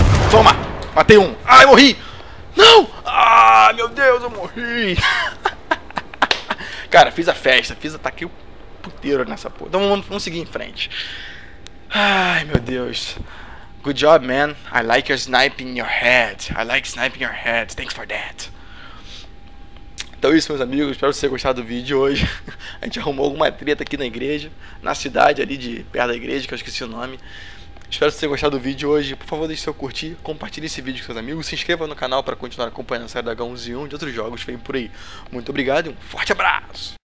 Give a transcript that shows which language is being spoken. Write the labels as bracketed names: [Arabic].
[Portuguese] Toma, matei um. Ai, morri. Não. Ah. Ah, meu Deus, eu morri! Cara, fiz a festa, fiz ataque o puteiro nessa porra. Então vamos seguir em frente. Ai, meu Deus. [English] Good job, man. I like your sniping your head. I like sniping your head. Thanks for that. [Portuguese] Então isso, meus amigos. Espero que vocês tenham gostado do vídeo de hoje. A gente arrumou alguma treta aqui na igreja. Na cidade ali de perto da igreja, que eu esqueci o nome. Espero que vocês tenham gostado do vídeo de hoje. Por favor, deixe seu curtir. Compartilhe esse vídeo com seus amigos. Se inscreva no canal para continuar acompanhando a série da H1Z1 e outros jogos que vêm por aí. Muito obrigado e um forte abraço.